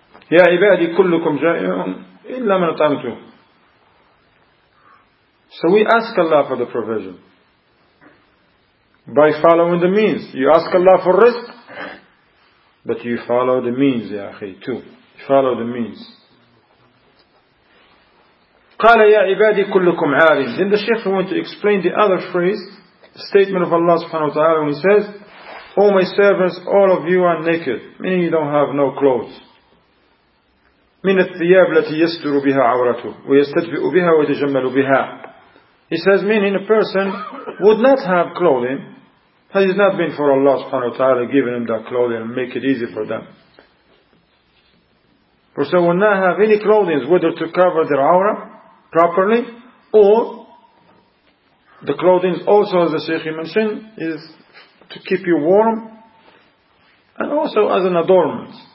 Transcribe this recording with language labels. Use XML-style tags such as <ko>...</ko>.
<ar>يا عبادي كلكم جائعون إلا من أطعمته.</ar> <en>So we ask Allah for the provision by following the means. You ask Allah for risk, but you follow the means,</en> <ar>يا أخي,</ar> <en>too. You follow the means.</en> <ar>قال يا عبادي كلكم عارين.</ar> <en>Then the Shaykh went to explain the other phrase, the statement of Allah subhanahu wa ta'ala, when he says, oh my servants, all of you are naked, meaning you don't have no clothes.</en> <ar>من الثياب التي يستر بها عورته ويستدفئ بها ويتجمل بها.</ar> <en>He says, meaning a person would not have clothing had it not been for Allah subhanahu wa ta'ala giving him that clothing and make it easy for them. Person would not have any clothing, whether to cover their aura properly, or the clothing also, as the Shaykh mentioned, is to keep you warm and also as an adornment.</en>